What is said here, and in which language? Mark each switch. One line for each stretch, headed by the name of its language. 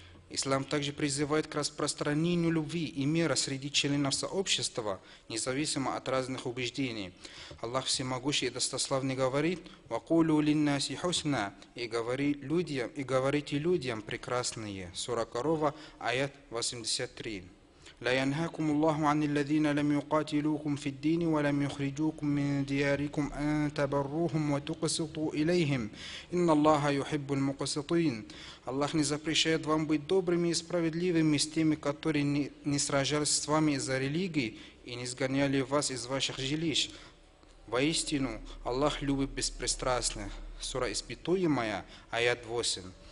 Russian: Ислам также призывает к распространению любви и мира среди членов сообщества, независимо от разных убеждений. Аллах Всемогущий и Достославный говорит,
Arabic: «Вакулю линнаси хусна»
Russian: и говорите людям прекрасные. Сура Корова, аят 83.
Arabic: لا ينهاكم الله عن الذين لم يقاتلوكم في الدين ولم يخرجوكم من دياركم أن تبروهم وتقسطوا إليهم إن الله يحب المقسطين.
Russian: Аллах не запрещает вам быть добрыми и справедливыми с теми, которые не сражались с вами из-за религии и не сгоняли вас из ваших жилищ. Воистину, Аллах любит беспристрастных. Сура Испытуемая, аят 8.